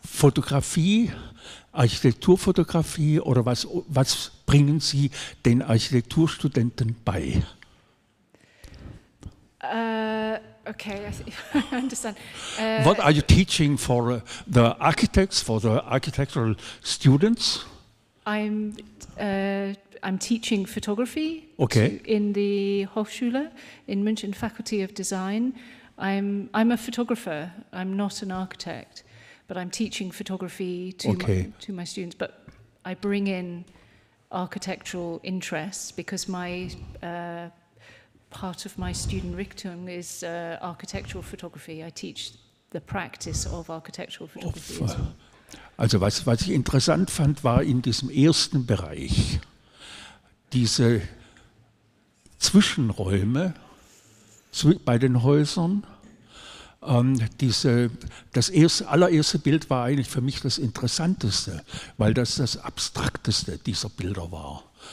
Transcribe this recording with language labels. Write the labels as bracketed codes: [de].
[de] Fotografie, Architekturfotografie, oder was bringen Sie den Architekturstudenten bei? [en] Okay, I understand. What are you teaching for the architects, for the architectural students? I'm teaching photography. Okay. In the Hochschule in München, Faculty of Design. I'm a photographer. I'm not an architect, but I'm teaching photography to my students. But I bring in architectural interests because my part of my student Richtung is architectural photography. I teach the practice of architectural photography. [de] Also was ich interessant fand, war in diesem ersten Bereich, diese Zwischenräume bei den Häusern. Das allererste Bild war eigentlich für mich das Interessanteste, weil das das Abstrakteste dieser Bilder war.